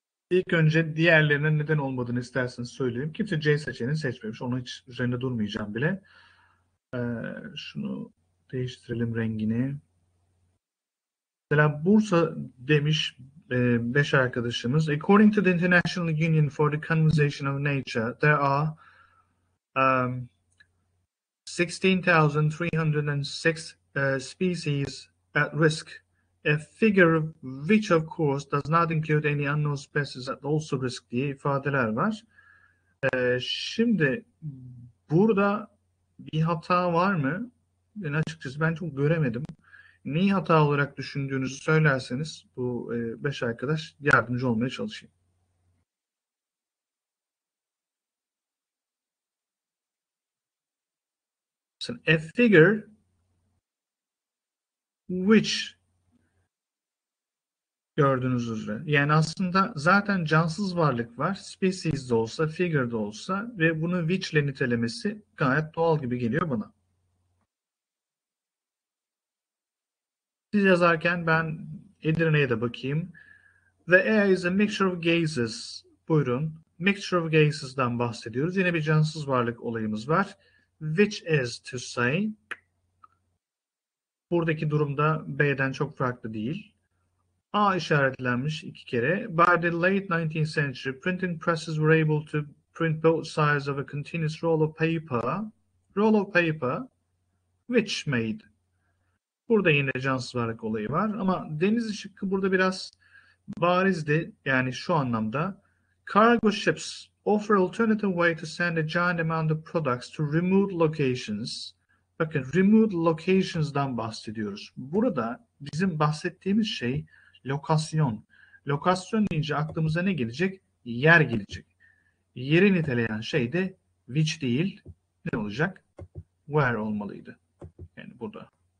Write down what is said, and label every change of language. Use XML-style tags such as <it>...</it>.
<tr>İlk önce diğerlerine neden olmadığını isterseniz söyleyeyim. Kimse C seçeneğini seçmemiş. Onun hiç üzerinde durmayacağım bile. Şunu değiştirelim rengini. Mesela Bursa demiş 5 arkadaşımız.</tr> <en>According to the International Union for the Conservation of Nature, there are 16,306 species at risk. A figure which of course does not include any unknown species that also risk</en> <tr>diye ifadeler var. Şimdi burada bir hata var mı? Ben açıkçası ben çok göremedim. Neyi hata olarak düşündüğünüzü söylerseniz bu 5 arkadaş yardımcı olmaya çalışayım.</tr> <en>A figure which</en> <tr>gördüğünüz üzere. Yani aslında zaten cansız varlık var. Species de olsa, figure de olsa ve bunu which ile nitelemesi gayet doğal gibi geliyor bana. Siz yazarken ben Edirne'ye de bakayım.</tr> <en>The air is a mixture of gases.</en> <tr>Buyurun. Mixture of gases'dan bahsediyoruz. Yine bir cansız varlık olayımız var.</tr> <en>Which is to say,</en> <tr>buradaki durumda B'den çok farklı değil. A işaretlenmiş iki kere.</tr> <en>By the late 19th century, printing presses were able to print both sides of a continuous roll of paper. Roll of paper, which made.</en> <tr>Burada yine cansız varlık olayı var. Ama deniz şıkkı burada biraz barizdi. Yani şu anlamda.</tr> <en>Cargo ships offer alternative way to send a giant amount of products to remote locations.</en> <tr>Bakın, remote locations'dan bahsediyoruz. Burada bizim bahsettiğimiz şey lokasyon. Lokasyon deyince aklımıza ne gelecek? Yer gelecek. Yeri niteleyen şey de which değil. Ne olacak? Where olmalıydı. Yani burada.</tr>